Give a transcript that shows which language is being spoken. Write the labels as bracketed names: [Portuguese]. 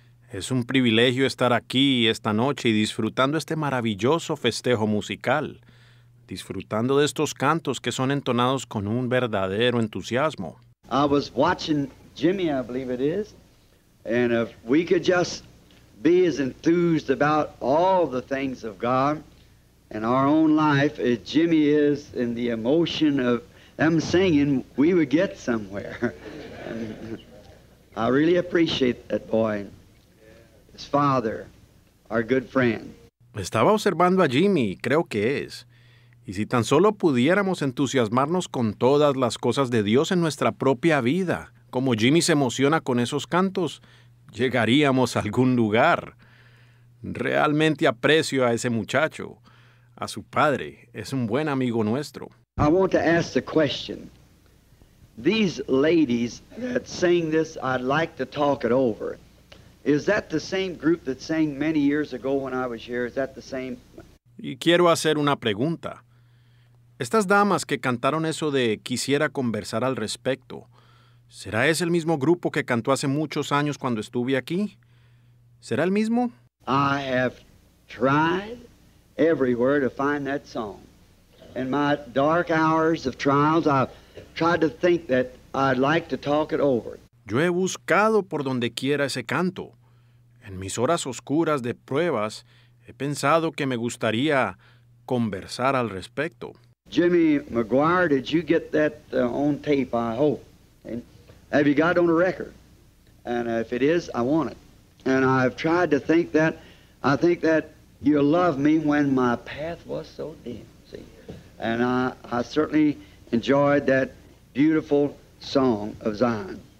[Spanish] Es un privilegio estar aquí esta noche y disfrutando este maravilloso festejo musical, disfrutando de estos cantos que son entonados con un verdadero entusiasmo. [English] I was watching Jimmy, I believe it is, and if we could just be as enthused about all the things of God and our own life as Jimmy is in the emotion of them singing, we would get somewhere. And I really appreciate that boy. His father, our good friend. [Spanish] Estaba observando a Jimmy, creo que es. Y si tan solo pudiéramos entusiasmarnos con todas las cosas de Dios en nuestra propia vida, como Jimmy se emociona con esos cantos, llegaríamos a algún lugar. Realmente aprecio a ese muchacho, a su padre. Es un buen amigo nuestro. [English] I want to ask the question. These ladies that sing this, I'd like to talk it over. Is that the same group that sang many years ago when I was here? Is that the same? [Spanish] Y quiero hacer una pregunta. Estas damas que cantaron eso de Quisiera Conversar al Respecto, ¿será ese el mismo grupo que cantó hace muchos años cuando estuve aquí? ¿Será el mismo? [English] I have tried everywhere to find that song. In my dark hours of trials, I've tried to think that I'd like to talk it over. [Spanish] Yo he buscado por donde quiera ese canto. En mis horas oscuras de pruebas, he pensado que me gustaría conversar al respecto. [English] Jimmy McGuire, did you get that on tape, I hope? And have you got it on a record? And if it is, I want it. And I've tried to think that, I think that you loved me when my path was so dim, see? And I certainly enjoyed that beautiful song of Zion.